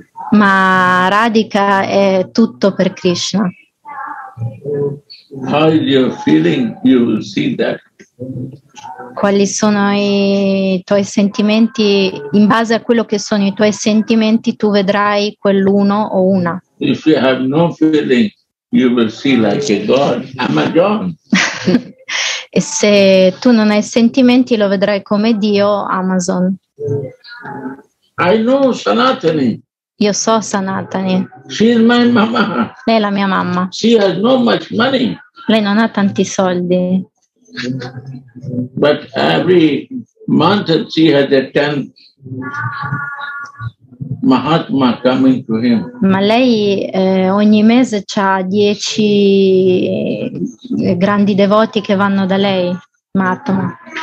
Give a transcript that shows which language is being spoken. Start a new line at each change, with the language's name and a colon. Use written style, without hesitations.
Italian: Ma Radhika è tutto per Krishna.
English: How is your feeling? You will see that.
Italian: Quali sono i tuoi sentimenti? In base a quello che sono i tuoi sentimenti, tu vedrai quell'uno o una.
English: If you have no feeling, you will see like a god, Amazon.
Italian: E se tu non hai sentimenti, lo vedrai come Dio, Amazon.
English: I know Sanatani.
Italian: Io so Sanatani.
English: She is my mama.
Italian: Lei è la mia mamma.
English: She has no much money.
Italian: Lei non ha tanti soldi.
English: But every month she has a 10 Mahatma coming to him.
Italian: Ma lei ogni mese c'ha 10 grandi devoti che vanno da lei, Mahatma.